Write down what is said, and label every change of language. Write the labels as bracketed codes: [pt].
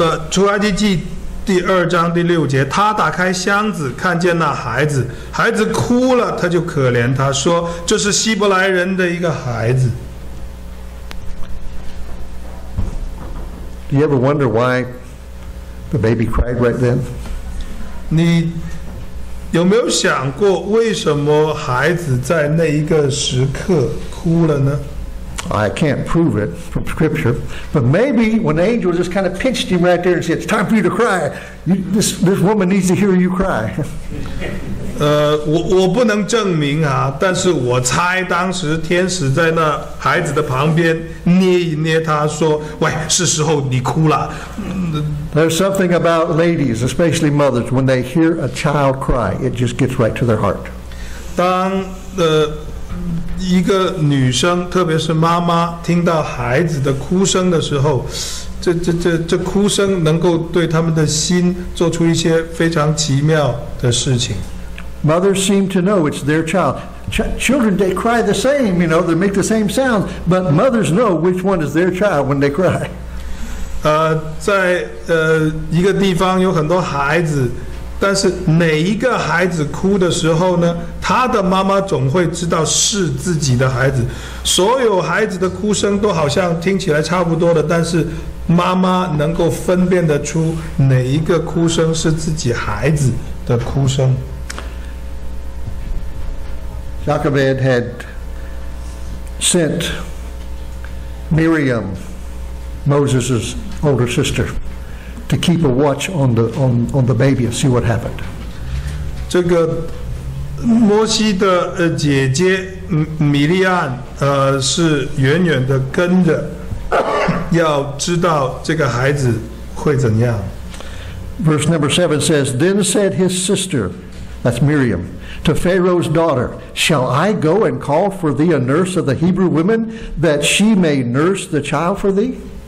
[zh] 出埃及记第二章第六节，她打开箱子，看见那孩子，孩子哭了，她就可怜他说，这是希伯来人的一个孩子。 [en] Do you ever wonder why the baby cried right then? [zh] 你有没有想过为什么孩子在那一个时刻哭了呢？ [en] I can't prove it from scripture, but maybe when the angel just kind of pinched him right there and said, it's time for you to cry, this woman needs to hear you cry. [zh] 我不能证明啊，但是我猜当时天使在那孩子的旁边捏一捏他说，喂，是时候你哭了。 [en] There's something about ladies, especially mothers, when they hear a child cry, it just gets right to their heart. [zh] 当一个女生，特别是妈妈，听到孩子的哭声的时候，这哭声能够对他们的心做出一些非常奇妙的事情。 [en] Mothers seem to know it's their child. Children, they cry the same, you know, they make the same sound, but mothers know which one is their child when they cry. [zh] 在一个地方有很多孩子，但是每一个孩子哭的时候呢，他的妈妈总会知道是自己的孩子。所有孩子的哭声都好像听起来差不多的，但是妈妈能够分辨得出哪一个哭声是自己孩子的哭声。 [en] Jochebed had sent Miriam, Moses' older sister, to keep a watch on the baby and see what happened. [zh] 这个摩西的姐姐米利安是远远的跟着，要知道这个孩子会怎样。 [en] Verse number 7 says, Then said his sister, that's Miriam, to Pharaoh's daughter, Shall I go and call for thee a nurse of the Hebrew women, that she may nurse the child for thee?